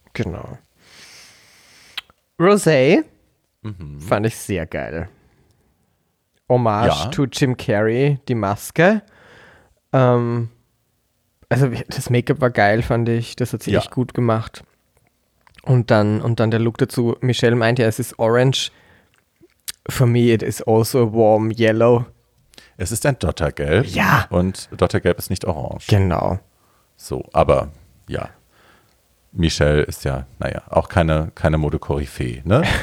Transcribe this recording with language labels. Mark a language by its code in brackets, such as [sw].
[de] Genau. Rosé fand ich sehr geil. Hommage to Jim Carrey, die Maske. Also das Make-up war geil, fand ich. Das hat sie echt gut gemacht. Und dann der Look dazu. Michelle meint ja, es ist orange. [en] For me it is also a warm yellow. [de] Es ist ein Dottergelb. Ja. Und Dottergelb ist nicht orange. Genau. So, aber ja. Michelle ist ja, naja, auch keine Mode-Koryphäe, ne?